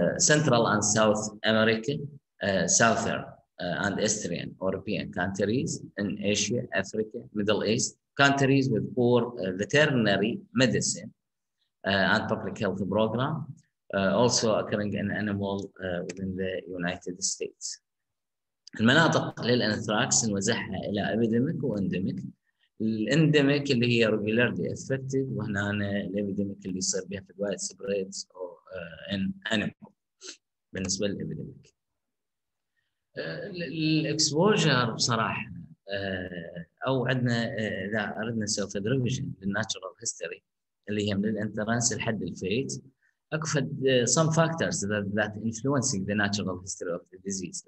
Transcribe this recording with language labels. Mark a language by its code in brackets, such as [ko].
[en] Central and South American, Southern and Eastern European countries in Asia, Africa, Middle East, countries with poor veterinary medicine and public health program. Also occurring in animal within the United States. [ar] المناطق للأنثراكس نوزعها إلى epidemic وendemic. الendemic اللي هي [en] regularly affected، [ar] وهنا الepidemic اللي يصير بها [en] wide spread in animal [ar] بالنسبة للepidemic. الexposure بصراحة أو عندنا إذا أردنا [en] self revision [ar] لل [en] natural history [ar] اللي هي من الأنثراكس لحد الفيت. [en] أكفد some factors that influencing the natural history of the disease.